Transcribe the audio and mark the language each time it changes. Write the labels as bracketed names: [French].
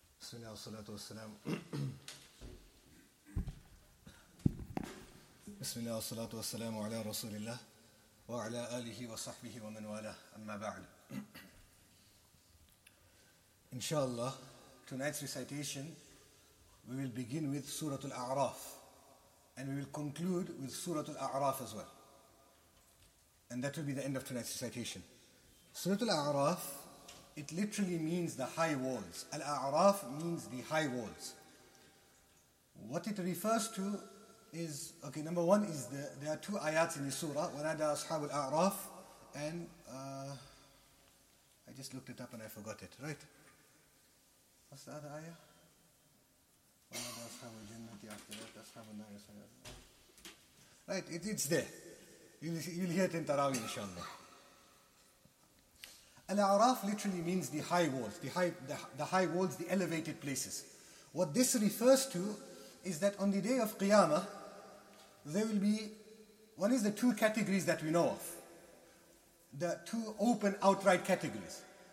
[Arabic] بسم الله والصلاة والسلام بسم الله والصلاة والسلام على رسول الله وعلى آله وصحبه ومن والاه أما بعد إن شاء الله [English] tonight's recitation we will begin with سورة الأعراف and we will conclude with سورة الأعراف as well and that will be the end of tonight's recitation. سورة الأعراف, it literally means the high walls. Al-A'raf means the high walls. What it refers to is, okay, number one is there are two ayats in the surah, [Arabic] وَنَادَى أَصْحَابُ الْأَعْرَافِ, [English] and I just looked it up and I forgot it, right? What's the other ayah? [Arabic] وَنَادَى أَصْحَابُ الْجَنَّةِ أَخْتِرَاتِ أَصْحَابُ النَّارِ. [English] Right, it's there. You'll hear it in Tarawih, inshallah. Al-A'raf literally means the high walls, the high walls, the elevated places. What this refers to is that on the day of Qiyamah, there will be, one is the two categories that we know of, the two open outright categories.